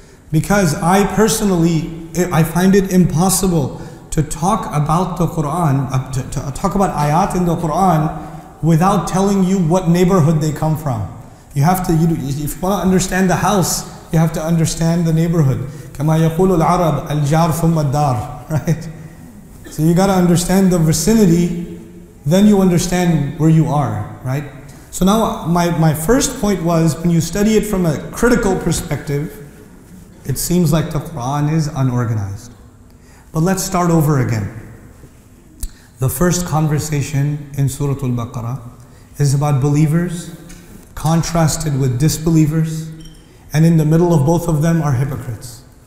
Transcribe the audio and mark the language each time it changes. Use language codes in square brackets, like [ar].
[en] Because I personally, I find it impossible to talk about the Quran, to talk about ayat in the Quran without telling you what neighborhood they come from. You have to, if you want to understand the house, You have to understand the neighborhood. [ar] كما يقول العرب الجار ثم الدار, [en] right? So you got to understand the vicinity, then you understand where you are, right? So now my first point was, when you study it from a critical perspective, it seems like the Quran is unorganized. But let's start over again. The first conversation in Surah Al-Baqarah is about believers contrasted with disbelievers, and in the middle of both of them are hypocrites.